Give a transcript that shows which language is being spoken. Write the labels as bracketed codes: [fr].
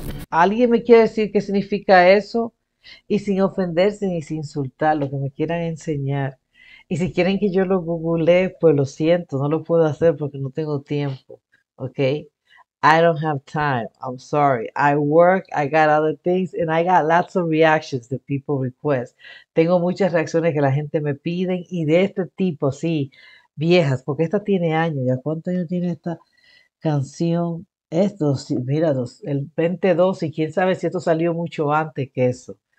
[es] ¿Alguien me quiere decir qué significa eso? Y sin ofenderse ni sin insultar, lo que me quieran enseñar. Y si quieren que yo lo googlee, pues lo siento, no lo puedo hacer porque no tengo tiempo. [en] ¿Ok? I don't have time. I'm sorry. I work, I got other things, and I got lots of reactions that people request. [es] Tengo muchas reacciones que la gente me piden y de este tipo, sí, viejas, porque esta tiene años. ¿Ya cuántos años tiene esta canción? Estos, mira, el 22, y quién sabe si esto salió mucho antes que eso.